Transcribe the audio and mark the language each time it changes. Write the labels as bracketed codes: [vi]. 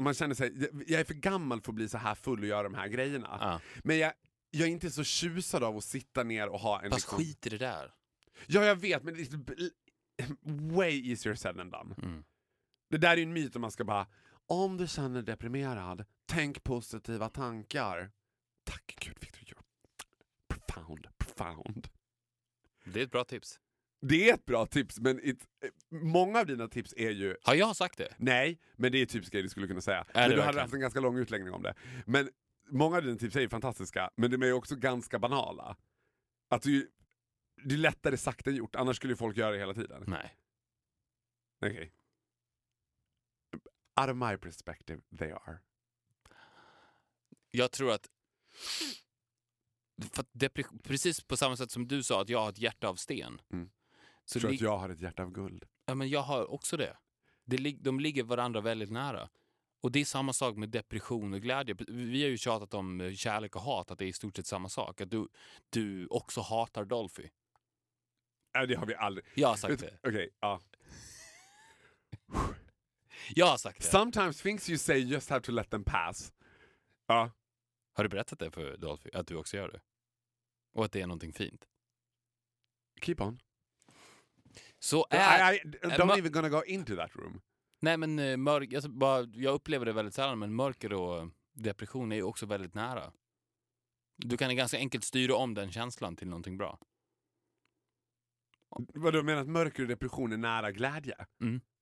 [sv] Man känner sig, jag är för gammal för att bli så här full och göra de här grejerna. Ja. Men jag är inte så tjusad av att sitta ner och ha en, fast liksom, skit i det där. Ja, jag vet, men det är [en] way easier said than done. [sv] Mm. Det där är ju en myt om man ska bara, om du känner dig deprimerad, tänk positiva tankar. Tack Gud, [en] Victor, you're profound, profound. [sv] Det är ett bra tips. Det är ett bra tips, men många av dina tips är ju... Har jag sagt det? Nej, men det är typiska grejer du skulle kunna säga. Men du hade haft en ganska lång utläggning om det. Men många av dina tips är ju fantastiska, men de är ju också ganska banala. Att det är lättare sagt än gjort, annars skulle ju folk göra det hela tiden. Nej. Okej. [en] Okay. Out of my perspective, they are. [sv] Jag tror att... För det är precis på samma sätt som du sa att jag har ett hjärta av sten. Mm. Så jag tror att jag har ett hjärta av guld. Ja, men jag har också det. De ligger varandra väldigt nära. Och det är samma sak med depression och glädje. Vi har ju tjatat om kärlek och hat, att det är i stort sett samma sak. Att du också hatar Dolphy. Nej, det har vi aldrig. Jag har sagt det. Okej, ja. Jag har sagt det. [en] Sometimes things you say just have to let them pass. [sv] Ja. Har du berättat det för Dolphy, att du också gör det? Och att det är någonting fint? [en] Keep on. So, don't even gonna go into that room. [sv] Nej, men jag upplever det väldigt sällan, men mörker och depression är ju också väldigt nära. Du kan ganska enkelt styra om den känslan till någonting bra. Vad du menar, att mörker och depression är nära glädje? Mm.